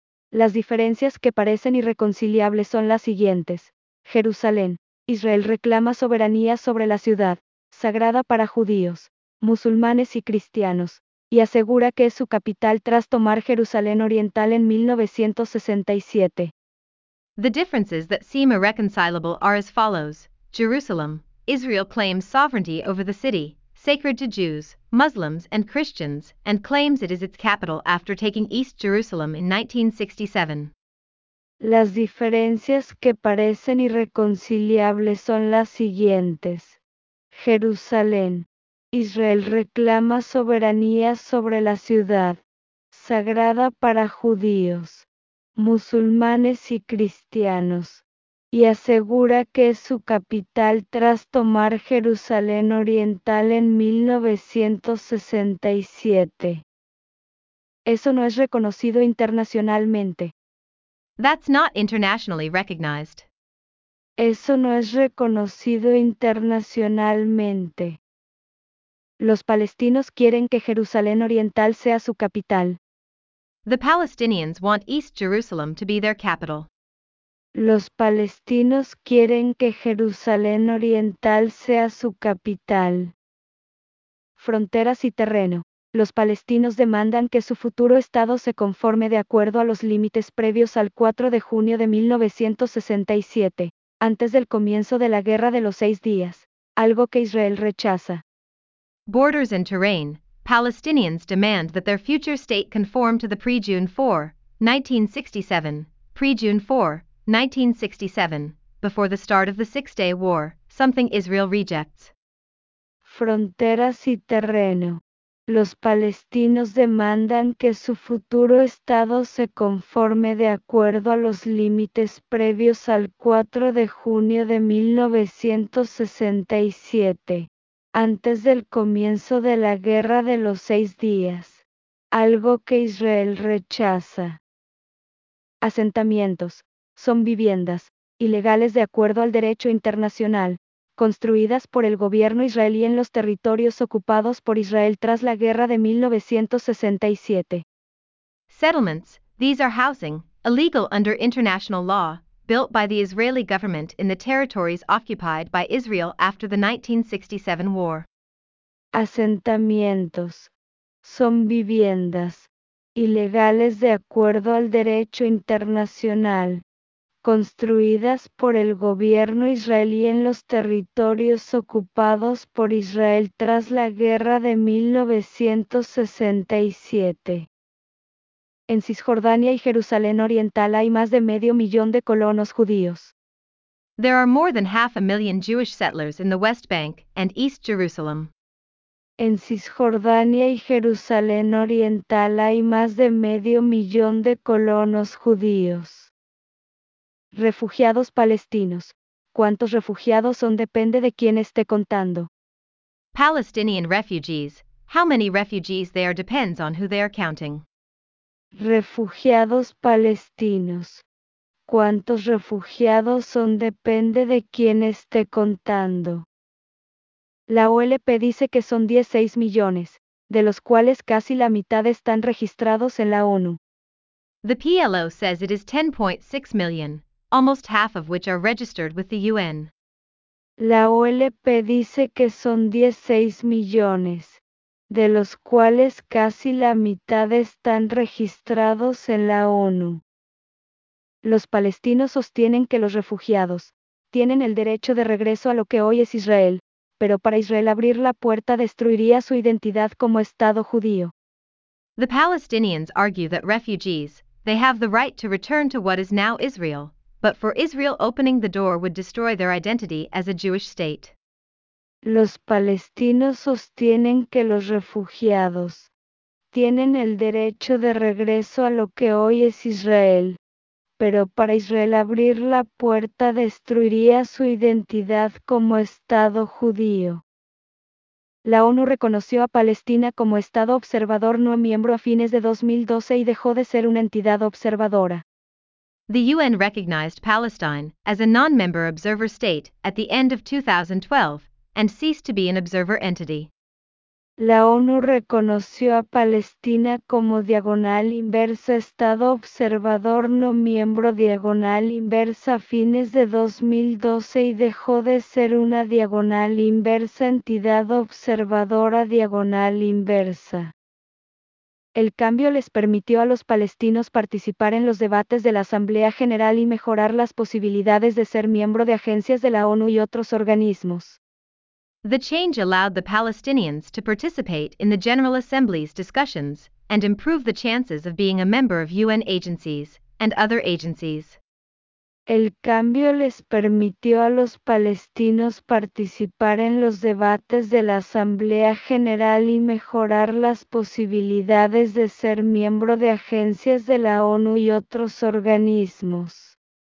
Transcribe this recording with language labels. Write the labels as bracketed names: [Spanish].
[Spanish] Las diferencias que parecen irreconciliables son las siguientes. Jerusalén. Israel reclama soberanía sobre la ciudad, sagrada para judíos, musulmanes y cristianos, y asegura que es su capital tras tomar Jerusalén Oriental en 1967. [English] The differences that seem irreconcilable are as follows. Jerusalem. Israel claims sovereignty over the city, sacred to Jews, Muslims and Christians, and claims it is its capital after taking East Jerusalem in 1967. [Spanish] Las diferencias que parecen irreconciliables son las siguientes. Jerusalén. Israel reclama soberanía sobre la ciudad, sagrada para judíos, musulmanes y cristianos. Y asegura que es su capital tras tomar Jerusalén Oriental en 1967. Eso no es reconocido internacionalmente. [English] That's not internationally recognized. [Spanish] Eso no es reconocido internacionalmente. Los palestinos quieren que Jerusalén Oriental sea su capital. [English] The Palestinians want East Jerusalem to be their capital. [Spanish] Los palestinos quieren que Jerusalén Oriental sea su capital. Fronteras y terreno. Los palestinos demandan que su futuro estado se conforme de acuerdo a los límites previos al 4 de junio de 1967, antes del comienzo de la Guerra de los Seis Días, algo que Israel rechaza. [English] Borders and terrain. Palestinians demand that their future state conform to the pre-June 4, 1967, before the start of the Six-Day War, something Israel rejects. [Spanish] Fronteras y terreno. Los palestinos demandan que su futuro estado se conforme de acuerdo a los límites previos al 4 de junio de 1967, antes del comienzo de la Guerra de los Seis Días, algo que Israel rechaza. Asentamientos. Son viviendas, ilegales de acuerdo al derecho internacional, construidas por el gobierno israelí en los territorios ocupados por Israel tras la guerra de 1967. [English] Settlements, these are housing, illegal under international law, built by the Israeli government in the territories occupied by Israel after the 1967 war. [Spanish] Asentamientos. Son viviendas, ilegales de acuerdo al derecho internacional. construidas por el gobierno israelí en los territorios ocupados por Israel tras la guerra de 1967. En Cisjordania y Jerusalén Oriental hay más de medio millón de colonos judíos. [English] There are more than half a million Jewish settlers in the West Bank and East Jerusalem. [Spanish] En Cisjordania y Jerusalén Oriental hay más de medio millón de colonos judíos. Refugiados palestinos. ¿Cuántos refugiados son? Depende de quién esté contando. [English] Palestinian refugees. How many refugees they are depends on who they are counting. [Spanish] Refugiados palestinos. ¿Cuántos refugiados son? Depende de quién esté contando. La OLP dice que son 16 millones, de los cuales casi la mitad están registrados en la ONU. [English] The PLO says it is 10.6 million, almost half of which are registered with the UN. [Spanish] La OLP dice que son 16 millones, de los cuales casi la mitad están registrados en la ONU. Los palestinos sostienen que los refugiados tienen el derecho de regreso a lo que hoy es Israel, pero para Israel abrir la puerta destruiría su identidad como Estado judío. [English] The Palestinians argue that refugees, they have the right to return to what is now Israel, but for Israel opening the door would destroy their identity as a Jewish state. [Spanish] Los palestinos sostienen que los refugiados tienen el derecho de regreso a lo que hoy es Israel, pero para Israel abrir la puerta destruiría su identidad como Estado judío. La ONU reconoció a Palestina como Estado observador no miembro a fines de 2012 y dejó de ser una entidad observadora. [English] The UN recognized Palestine as a non-member observer state at the end of 2012 and ceased to be an observer entity. [Spanish] La ONU reconoció a Palestina como diagonal inversa Estado observador no miembro diagonal inversa a fines de 2012 y dejó de ser una diagonal inversa entidad observadora diagonal inversa. El cambio les permitió a los palestinos participar en los debates de la Asamblea General y mejorar las posibilidades de ser miembro de agencias de la ONU y otros organismos. [English] The change allowed the Palestinians to participate in the General Assembly's discussions and improve the chances of being a member of UN agencies and other agencies. [Spanish] El cambio les permitió a los palestinos participar en los debates de la Asamblea General y mejorar las posibilidades de ser miembro de agencias de la ONU y otros organismos.